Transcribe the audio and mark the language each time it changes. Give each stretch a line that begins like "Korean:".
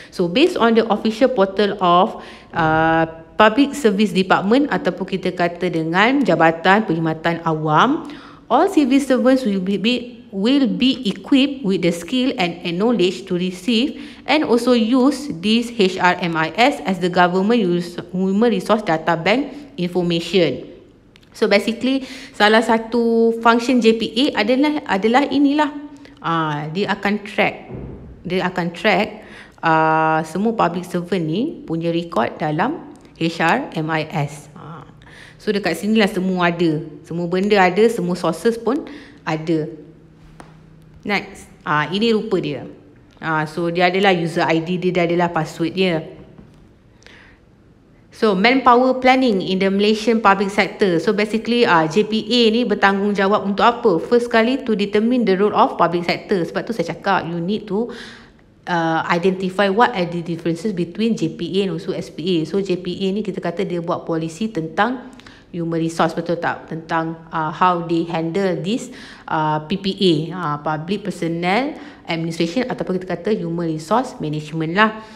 English: So based on the official portal of Public Service Department ataupun kita kata dengan Jabatan Perkhidmatan Awam, all civil servants will be equipped with the skill and knowledge to receive and also use this HRMIS as the government use human resource data bank information.
Malay: So basically salah satu function JPA adalah inilah. Dia akan track semua public servant ni punya record dalam HRMIS. So dekat sinilah semua ada. Semua benda ada, semua sources pun ada. Next, ini rupa dia. So dia adalah user ID dia, dia adalah password dia.
English: So manpower planning in the Malaysian public sector.
Malay: So basically JPA ni bertanggungjawab untuk apa?
English: First sekali to determine the role of public sector.
Malay: Sebab tu saya cakap
English: you need to identify what are the differences between JPA and also SPA.
Malay: So JPA ni kita kata dia buat policy tentang human resource, betul tak?
English: Tentang how they handle this PPA, Public Personnel Administration
Malay: ataupun kita kata
English: Human Resource Management lah.